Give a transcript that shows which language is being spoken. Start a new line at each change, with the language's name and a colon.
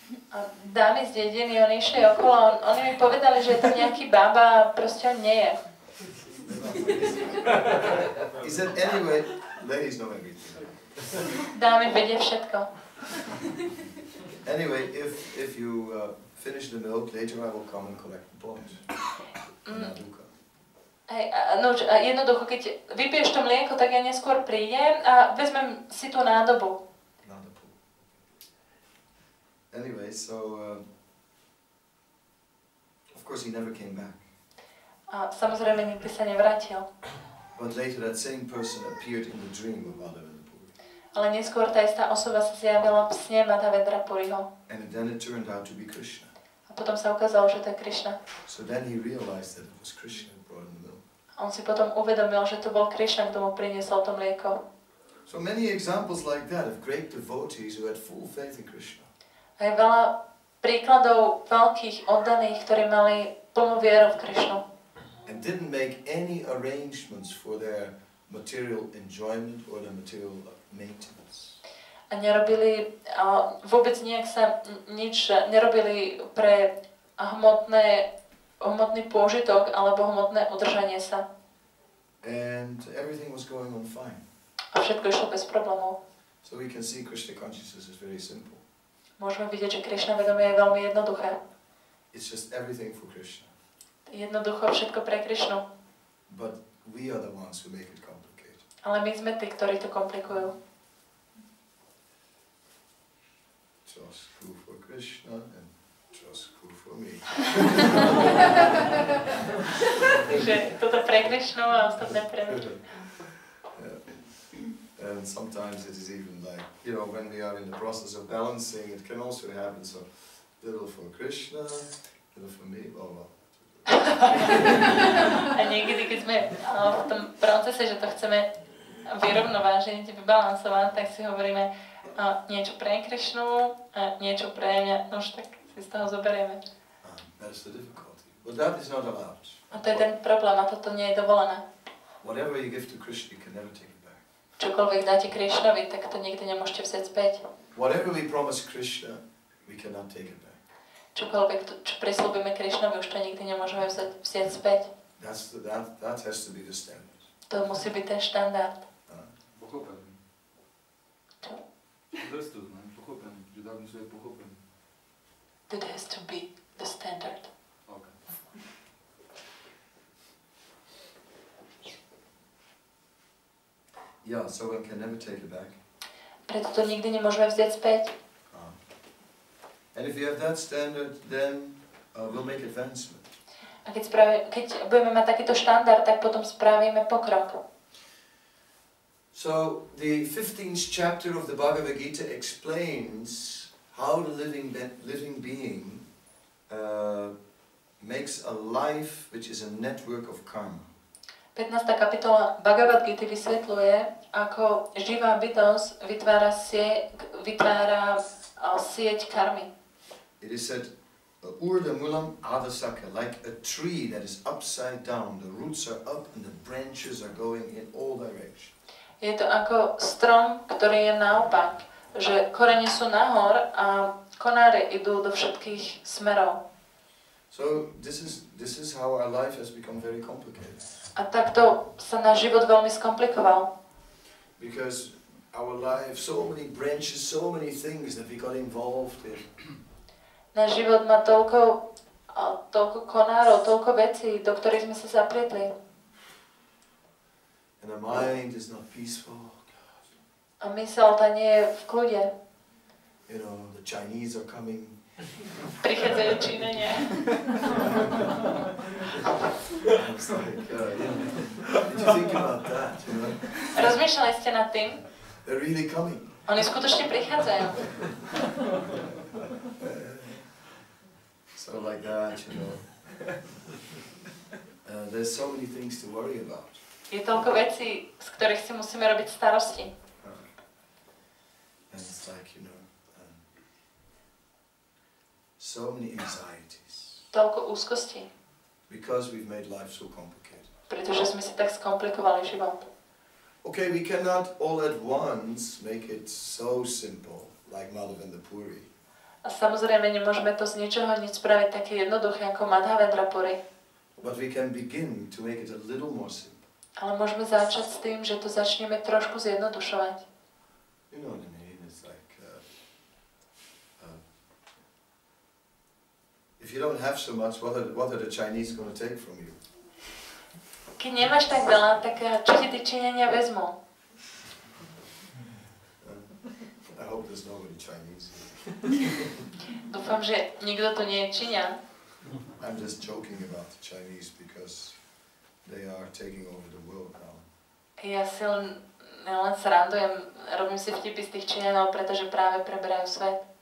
Slovak: A dámy z dediny, oni išli okolo, oni mi povedali, že je tam nejaký baba, proste on nie je.
English: He said, anyway, ladies know everything.
Slovak: Dámy vedie všetko.
English: Anyway, if you finish the milk, later I will come and collect the pot.
Slovak: Hej, jednoducho, keď vypiješ to mlieko, tak ja neskôr prídem a vezmem si tú nádobu. Nádobu.
English: Anyway, so... of course he never came back.
Slovak: A samozrejme, nikdy sa nevrátil.
English: But later that same person appeared in the dream of Madhavendrapuri.
Slovak: Ale neskôr tá istá osoba sa zjavila v sne Madhavendrapuriho.
English: And then it turned out to be Krishna.
Slovak: A potom sa ukázalo, že to je Krishna.
English: So then he realized that it was Krishna who brought him the milk.
Slovak: On si potom uvedomil, že to bol Krišna, kto mu priniesol to mlieko.
English: So many examples like that of great devotees who had full faith in Krishna.
Slovak: A je veľa príkladov veľkých oddaných, ktorí mali plnú vieru v Krišnu.
English: And didn't make any arrangements for their material enjoyment or their material maintenance.
Slovak: A nerobili vôbec nejak sa nič, nerobili pre hmotný pôžitok alebo hmotné udržanie sa.
English: And everything was going on fine.
Slovak: A všetko išlo bez problémov.
English: So we can see Krishna consciousness is very simple.
Slovak: Môžeme vidieť, že Krishna vedomie je veľmi jednoduché.
English: It's just everything for Krishna.
Slovak: Jednoducho všetko pre Krishnu.
English: But we are the ones who make it complicated.
Slovak: Ale my sme tí, ktorí to komplikujú.
English: Just cool for Krishna and just cool for me.
Slovak: Takže toto pre Krishnu a ostatné pre mňa.
English: Yeah. And sometimes it is even like, you know, when we are in the process of balancing, it can also happen, so little for Krishna, little for me, blah, blah.
Slovak: A niekedy, keď sme v tom procese, že to chceme vyrovnovážiť, vybalansovať, tak si hovoríme niečo pre Krišnu a niečo pre mňa, no už tak si z toho zoberieme.
English: That's the difficulty. But that is not allowed.
Slovak: A to je ten problém, a toto nie je dovolené.
English: Whatever you give to Krishna, you can never take it back.
Slovak: Čokoľvek dáte Krišnovi, tak to nikdy nemôžete vzeť späť.
English: Whatever we promise Krishna, we cannot take it back.
Slovak: Čokoľvek, čo prislúbime Krišnovi, už to nikdy nemôžeme vziať späť.
English: That has to be the standard.
Slovak: To musí byť ten štandard. Pochopený. Čo? Zresto, ne? Pochopený. Že dávno sa je pochopený.
English: That has to be the standard. OK. Yeah, so one can never take it back.
Slovak: Preto to nikdy nemôžeme vziať späť.
English: And if you have that standard, then we'll make advancement.
Slovak: A keď budeme mať takýto štandard, tak potom spravíme pokrok.
English: So the 15th chapter of the Bhagavad Gita explains how the living being makes a life which is a network of karma.
Slovak: 15. kapitola Bhagavad Gita vysvetľuje, ako živá bytosť vytvára sieť karmy.
English: It is said,
Sanskrit: urdha mulam adasaka,
English: like a tree that is upside down. The roots are up and the branches are going in all directions.
Slovak: Je to ako strom, ktorý je naopak, že korene sú nahor a konáre idú do všetkých smerov.
English: So this is how our life has become very complicated.
Slovak: A takto sa náš život veľmi skomplikoval.
English: Because our life, so many branches, so many things that we got involved in.
Slovak: Náš život má toľko konárov, toľko vecí, do ktorých sme sa zaplietli.
English: And the mind is not peaceful.
Slovak: A myseľ tá nie je v kľude.
English: You know, the Chinese are coming.
Slovak: Prichádzajú Čínenia.
English: It's like, did you think about that? You know?
Slovak: Rozmýšľali ste nad tým?
English: They're really coming.
Slovak: Oni skutočne prichádzajú.
English: So like that, you know. There's so many things to worry about.
Slovak: Je toľko vecí, z ktorých si musíme robiť starosti.
English: And it's like, you know, so many anxieties.
Slovak: Toľko úzkosti.
English: Because we've made life so complicated.
Slovak: Pretože sme si tak skomplikovali život.
English: Okay, we cannot all at once make it so simple, like Madhava and the Puri.
Slovak: A samozrejme, nemôžeme to z ničoho nič spraviť také jednoduché ako Madhavendra Puri.
English: But we can begin to make it a little more simple.
Slovak: Ale môžeme začať s tým, že to začneme trošku zjednodušovať.
English: You know what I mean? It's like, if you don't have so much, what are the Chinese going to take from you?
Slovak: Keď nemáš tak veľa, tak čo ti tí Číňania vezmú?
English: I hope there's nobody Chinese.
Slovak: Dúfam, že nikto to nie je Číňan.
English: I'm just joking about the Chinese because they are taking over the world now.
Slovak: Ja si len srandujem, robím si vtipy z tých Číňanov, pretože práve preberajú svet.